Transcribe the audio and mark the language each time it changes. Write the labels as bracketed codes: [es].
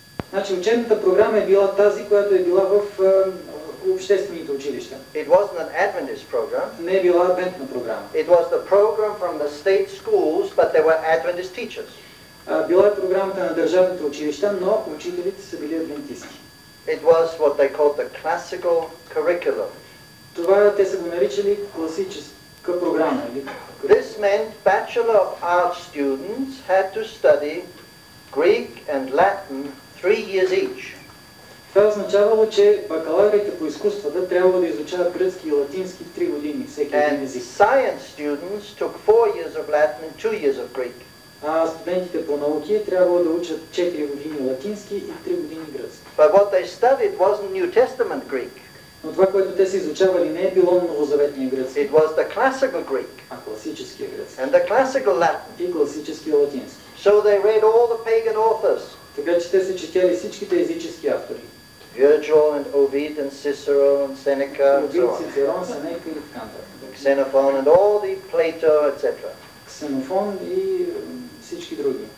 [bg] Значи учебната програма е била тази, която е била в обществените училища. [en] It wasn't an Adventist program. [bg] Не е била адвентна програма. [en] It was the program from the state schools, but there were Adventist teachers. [bg] Била е програмата на държавните училища, но учителите са били адвентисти. [en] It was what they called the classical curriculum. [bg] Това те са го наричали класическа програма. [en] This meant Bachelor of Arts students had to study Greek and Latin 3 years each. [bg] Това означавало, че бакалаврите по изкуствата трябва да изучават гръцки и латински 3 години всеки един език. [en] And science students took 4 years of Latin and 2 years of Greek. [bg] А студентите по науки трябвало да учат 4 години латински и 3 години гръцки. [en] But what they studied wasn't New Testament Greek. [bg] Но това, което те са изучавали, не е било новозаветния гръцки. [en] It was the classical Greek. [bg] А класическия гръцки. [en] And the classical Latin. [bg] И класическия латински. [en] So they read all the pagan authors. [bg] Така че те са четяли всичките езически автори. [en] Virgil and Ovid and Cicero and Seneca and so on. [bg] Цицерон, Сенека и така нататък. [en] Xenophon and all the Plato, etc. [bg] Ксенофон и всички други.